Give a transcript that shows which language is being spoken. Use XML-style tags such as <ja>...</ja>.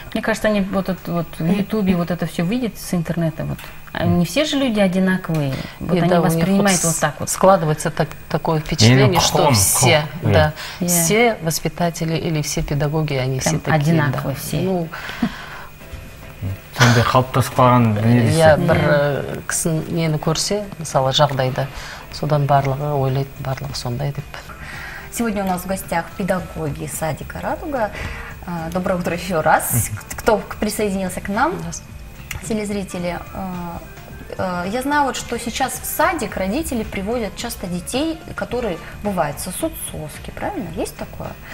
<ru>Мне кажется, они вот это вот в Ютубе вот это все видят с интернета, вот. Не все же люди одинаковые, вот они воспринимают вот так вот. Складывается такое впечатление, что все, да, все воспитатели или все педагоги, они все такие, одинаковые все.</ru> <kk>Сонда қалыптаспаған дүниесі. Иә, бір кісі нені көрсе, мысалы жағдайды, содан барлығы ойлайды, барлығы сондай деп.</kk> <ru>Сегодня у нас в гостях педагоги садика «Радуга». Доброе утро еще раз. Кто присоединился к нам, телезрители. Я знаю, вот, что сейчас в садик родители приводят часто детей, которые бывают сосут соски, правильно? Есть такое?</ru>